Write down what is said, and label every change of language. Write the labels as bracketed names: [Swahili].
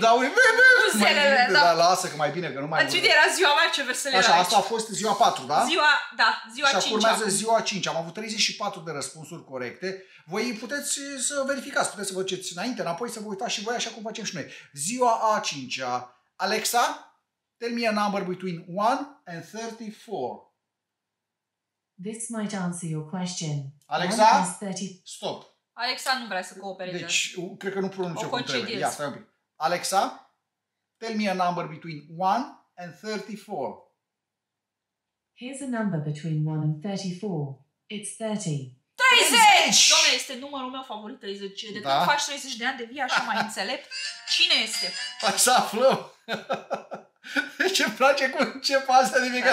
[Romanian] Da, uite, da, lasă că mai bine, că nu mai am. Era ziua mai ce veselere. Așa, asta a fost ziua 4, da? Ziua 5. Și urmează ziua 5. Am avut 34 de răspunsuri corecte. Voi puteți să verificați, puteți să vă duceți înainte, înapoi să vă uitați și voi așa cum facem și noi. Ziua a 5-a. [English] Alexa, tell me a number between 1 and 34. This might answer your question. Alexa, 30... stop. [Romanian] Alexa nu vrea să coopereze. Deci, cred că nu pronunță cum trebuie. Ia, stai un pic. [English] Alexa, tell me a number between 1 and 34. Here's a number between 1 and 34. It's 30. 30! [Romanian] Doamne, este numărul meu favorit, 30. De tot faci 30 de ani, devii așa mai înțelept. Cine este? Hai să aflăm. Ce place cu ce pasă de mică